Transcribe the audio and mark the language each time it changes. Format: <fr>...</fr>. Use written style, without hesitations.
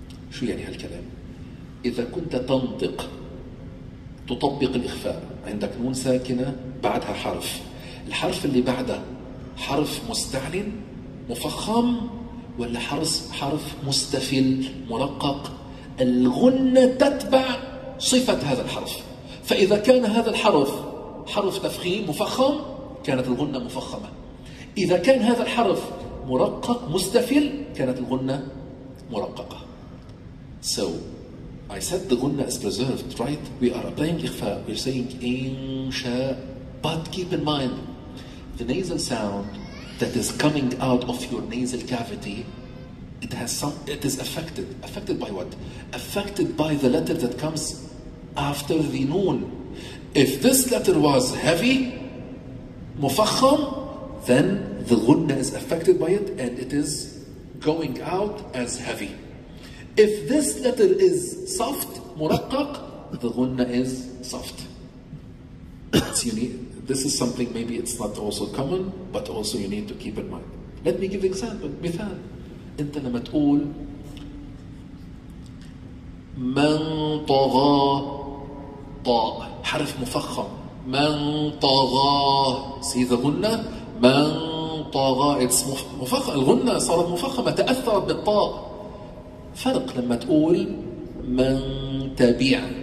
<ar>شو يعني هالكلام؟ إذا كنت تنطق تطبق الإخفاء عندك نون ساكنة بعدها حرف, الحرف اللي بعده حرف مستعل مفخم ولا حرف مستفل ملقق, الغنة تتبع صفة هذا الحرف. فإذا كان هذا الحرف حرف تفخيم مفخم كانت الغنة مفخمة, إذا كان هذا الحرف مرقق مستفل كانت الغنة مرققة.</ar> <en>So I said the غنة is preserved, right? We are applying إخفاء, we're saying إنشاء, but keep in mind the nasal sound that is coming out of your nasal cavity it has some, it is affected. Affected by what? Affected by the letter that comes after the noon. If this letter was heavy, مفخم, then the غنّة is affected by it and it is going out as heavy. If this letter is soft, مرقق, the غنّة is soft. It's unique. This is something maybe it's not also common, but also you need to keep in mind. Let me give example. مثال.</en> <ar>أنت لما تقول من طغى طاء حرف مفخم. من طغى.</ar> <en>See the</en> <ar>غنّة. من طغى.</ar> <en>It's</en> <ar>مفخم. الغنّة صارت مفخمة. تأثرت بالطاء. فرق لما تقول من تبع.</ar>